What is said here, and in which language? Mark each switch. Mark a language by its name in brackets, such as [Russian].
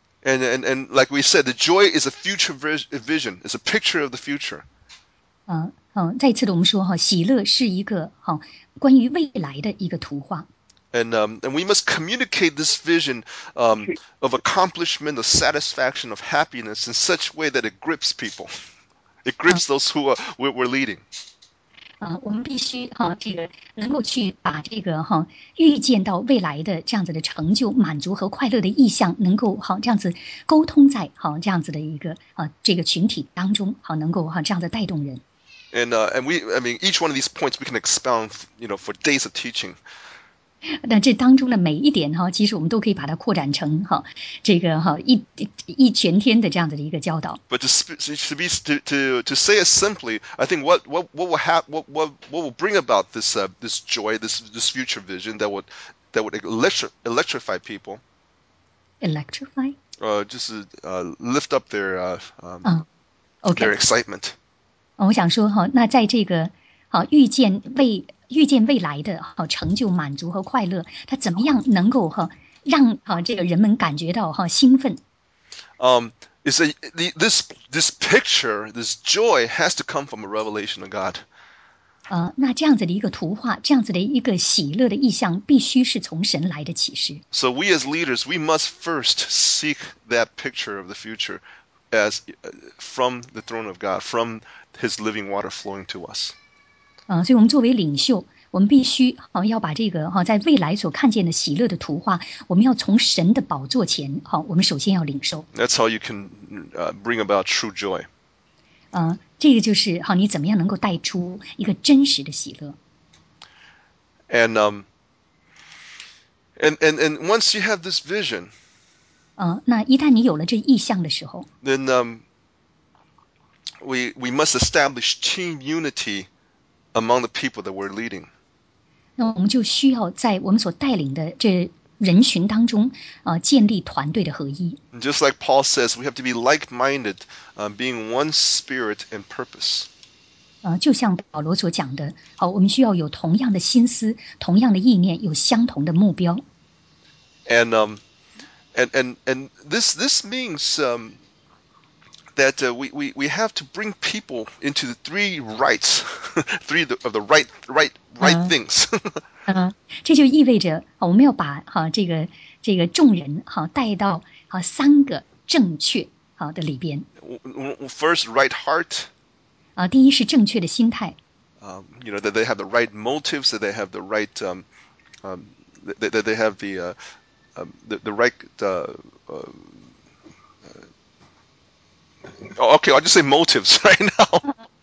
[English] And like we said, the joy is a future vision, it's a picture of the future. [Chinese] 再次的我们说喜乐是一个关于未来的一个图画。 [English] And we must communicate this vision of accomplishment, of satisfaction, of happiness in such a way that it grips people. It grips those who we're leading. [Chinese] 我们必须这个能够去把这个预见到未来的这样子的成就、满足和快乐的意向，能够这样子沟通在这样子的一个这个群体当中，能够这样子带动人。 [English] And each one of these points we can expound, you know, for days of teaching. [Chinese] 那这当中的每一点其实我们都可以把它扩展成这个一全天的这样子的一个教导。 [English] But to say it simply, I think what will bring about this, this joy, this future vision that would electrify people. Electrify? Lift up their, okay. their excitement. [Chinese] 我想说那在这个预见为预见未来的成就、满足和快乐，它怎么样能够让这个人们感觉到兴奋？ [English] This picture, this joy has to come from a revelation of God. [Chinese] 那这样子的一个图画，这样子的一个喜乐的意象，必须是从神来的启示。 [English] So we as leaders, we must first seek that picture of the future as from the throne of God, from His living water flowing to us. [Chinese] 所以我们作为领袖，我们必须要把这个在未来所看见的喜乐的图画，我们要从神的宝座前我们首先要领受。 [English] That's how you can bring about true joy. [Chinese] 这个就是你怎么样能够带出一个真实的喜乐。 [English] And once you have this vision, [Chinese] 那一旦你有了这意向的时候 [English] ，then we must establish team unity. Among the people that we're leading. [Chinese] 那我们就需要在我们所带领的这人群当中建立团队的合一。 [English] Just like Paul says, we have to be like-minded, being one spirit and purpose. [Chinese] 就像保罗所讲的，我们需要有同样的心思，同样的意念，有相同的目标。 [English] And this means, that we have to bring people into the three rights, three of the right things. [Chinese] 这就意味着我们要把这个众人带到三个正确的里边。 [English] First, right heart. [Chinese] 第一是正确的心态。 [English] You know that they have the right motives, that they have the right that they have the right Okay, I'll just say motives right now.